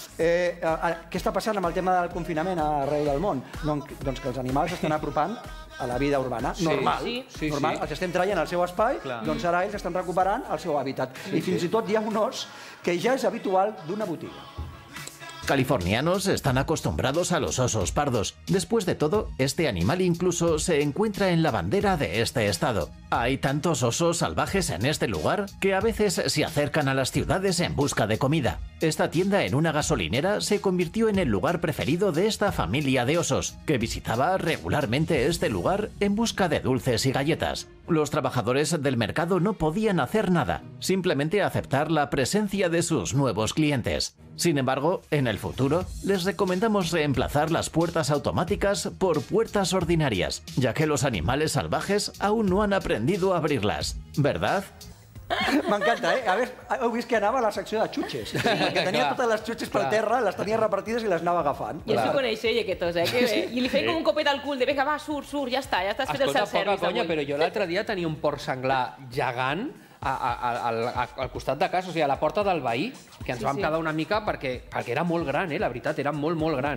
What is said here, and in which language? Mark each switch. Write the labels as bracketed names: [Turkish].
[Catalan] Què està passant amb el tema del confinament arreu del món? Doncs que els animals estan apropant a la vida urbana, normal. Els estem traient al seu espai, doncs ara ells estan recuperant el seu hàbitat. I fins i tot hi ha un os que ja és habitual d'una botiga. [Spanish] Californianos están acostumbrados a los osos pardos. Después de todo, este animal incluso se encuentra en la bandera de este estado. Hay tantos osos salvajes en este lugar que a veces se acercan a las ciudades en busca de comida. Esta tienda en una gasolinera se convirtió en el lugar preferido de esta familia de osos, que visitaba regularmente este lugar en busca de dulces y galletas. Los trabajadores del mercado no podían hacer nada, simplemente aceptar la presencia de sus nuevos clientes. Sin embargo, en el futuro, les recomendamos reemplazar las puertas automáticas por puertas ordinarias, ya que los animales salvajes aún no han aprendido a abrirlas. ¿Verdad? Me encanta, ¿eh? A ver, [Catalan] heu vist que anava a la secció de xutxes. Sí, perquè tenia totes les xutxes per terra, les tenia repartides i les anava agafant. Jo s'ho coneix, ella, que tos, eh? Que bé. I li feia com un copet al cul, de vinga, va, surt, ja està, ja estàs fet el self-service. Escolta, poca conya, però jo l'altre dia tenia un porc senglar gegant al costat de casa, o sigui, a la porta del veí, que ens vam quedar una mica perquè era molt gran, la veritat, era molt, molt gran.